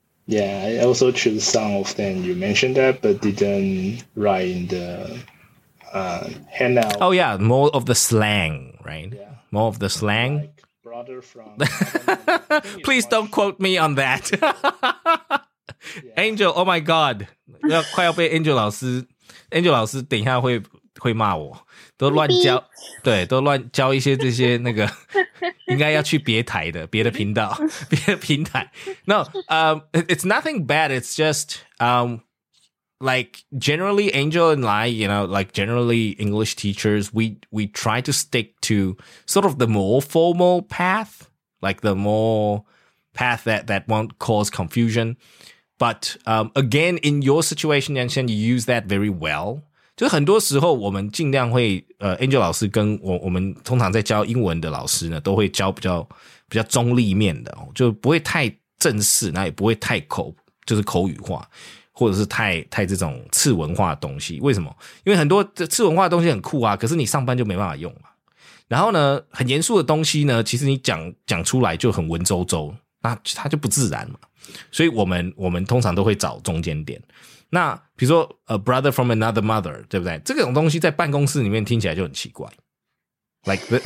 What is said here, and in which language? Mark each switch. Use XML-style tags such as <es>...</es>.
<en>I also choose some of them you mentioned that, but didn't write in the handout. Oh, yeah, more of the slang, right? Yeah. More of the slang. Like, brother from. Please don't quote me on that. Yeah. Angel, oh my God.</en> <zh>Angel老师, 等一下会骂我。都乱教一些这些那个 应该要去别台的 别的频道 别的平台</zh> <en>No, it's nothing bad. It's just like generally Angel and I, you know, like generally English teachers, we try to stick to sort of the more formal path, like the more path that won't cause confusion. But again, in your situation, Yanshen, you use that very well.</en> <zh>就很多时候我们尽量会 Angel老师跟我们通常在教英文的老师呢 都会教比较中立面的 就不会太正式那也不会太口 就是口语化 或者是太这种次文化的东西 为什么? 因为很多次文化的东西很酷啊 可是你上班就没办法用嘛 然后呢 很严肃的东西呢 其实你讲出来就很文绉绉 那它就不自然嘛 所以我们通常都会找中间点 那比如说</zh> <en>a brother from another mother</en> <zh>对不对 这种东西在办公室里面听起来就很奇怪 like</zh>